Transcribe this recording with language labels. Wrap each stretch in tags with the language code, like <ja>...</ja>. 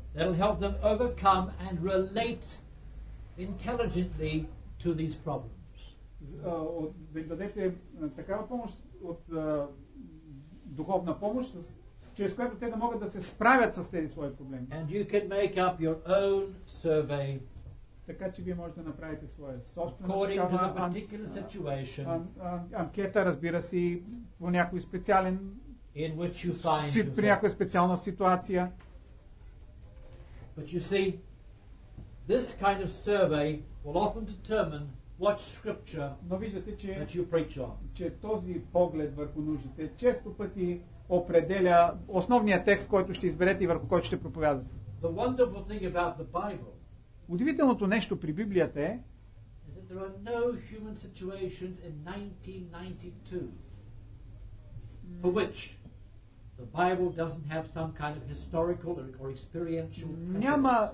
<en>That'll help them overcome and relate intelligently to these problems.</en> <bg>Да дадете такава помощ от духовна помощ, чрез която те да могат да се справят с тези свои проблеми.</bg> <en>And you can make up your own survey.</en> <bg>Така че вие можете да направите своя собствена</bg> <en>according to the particular situation.</en> <bg>Анкета, разбира се, по някой специален</bg> <en>in which you find yourself.</en> <bg>При някоя специална ситуация.</bg> <en>But you see, this kind of survey will often determine what scripture</en> <bg>но виждате, че,</bg> <en>that you preach on.</en> <bg>Че този поглед върху нуждите често пъти определя основния текст, който ще изберете и върху който ще проповядате.</bg> <en>The wonderful thing about the Bible,</en> <bg>удивителното нещо при Библията е,</bg> <en>is that there are no human situations in 1992 for which the Bible doesn't have some kind of historical or experiential precedent.</en>